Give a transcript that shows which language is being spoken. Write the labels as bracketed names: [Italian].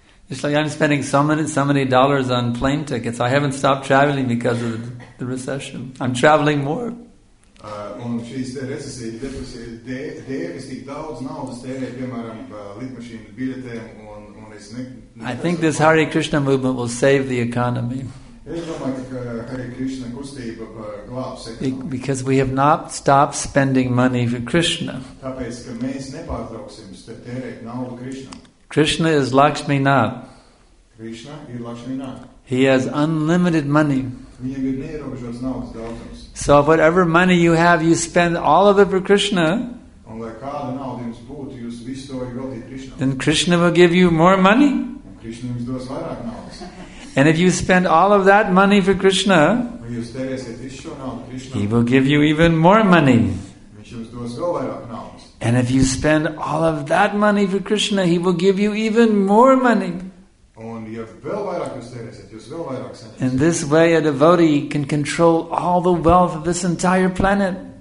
[English] It's like I'm spending so many dollars on plane tickets. I haven't stopped traveling because of the recession. I'm traveling more. [Latvian] Un šīs depresijas tik daudz naudas tērē, piemēram, lidmašīnu biļetēm, un es [English] I think this Hare Krishna movement will save the economy. [Latvian] Es domāju, ka Hare Krishna kustība glābs ekonomiku. [English] Because we have not stopped spending money for Krishna. [Latvian] Tāpēc, ka mēs nepārtrauksim tērēt naudu Krishna. [English] Krishna is Lakshmi Nath. [Latvian] Krishna ir Lakshmi Nath. [English] He has unlimited money. [Latvian] Viņam ir neierobežotas naudas daudzums. [English] So whatever money you have, you spend all of it for Krishna. [Latvian] Un lai kāda nauda jums būtu, jūs visu to ieguldītu Krishna. [English] Then Krishna will give you more money. [Latvian] Un Krishna jums dos vairāk naudas. [English] And if you spend all of that money for Krishna, [Latvian] un jūs tērēsiet visu šo naudu Krishna, [English] he will give you even more money. [Latvian] vēl vairāk naudas. [English] And if you spend all of that money for Krishna, he will give you even more money. [Latvian] Un ja vēl vairāk jūs tērēsiet, jūs vēl vairāk saņemsiet. [English] In this way, a devotee can control all the wealth of this entire planet.